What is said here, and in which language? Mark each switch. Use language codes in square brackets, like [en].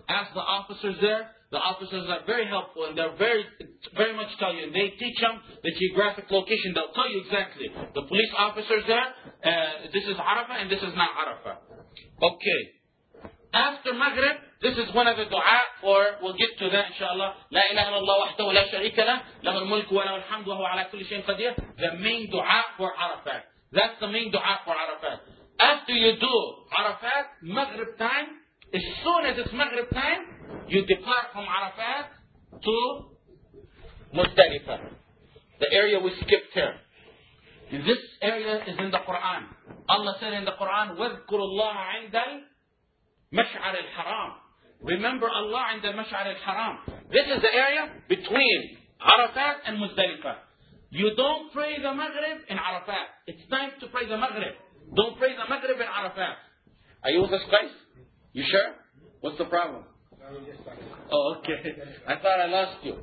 [en] Ask the officers there. The officers are very helpful, and they're very, very much tell you. They teach them the geographic location. They'll tell you exactly. The police officers there, this is Arafah and this is not Arafah. Okay. After Maghrib, this is one of the dua, or we'll get to that, inshallah. [ar] لا إله إلا الله وحده ولا شريك له له الملك وله الحمد وهو على كل شيء قدير. [en] The main dua for Arafah. That's the main dua for Arafah. After you do Arafah, Maghrib time, as soon as it's Maghrib time, you depart from Arafat to Muzdalifah, the area we skipped here. And this area is in the Quran. Allah said in the Quran, [ar] وَذْكُرُ اللَّهَ عِنْدَ الْمَشْعَرِ الْحَرَامِ. [en] Remember Allah [ar] عِنْدَ الْمَشْعَرِ الْحَرَامِ. [en] This is the area between Arafat and Muzdalifah. You don't pray the Maghrib in Arafat. It's time to pray the Maghrib. Don't pray the Maghrib in Arafat. Are you with us, guys? You sure? What's the problem? Oh, okay. I thought I lost you.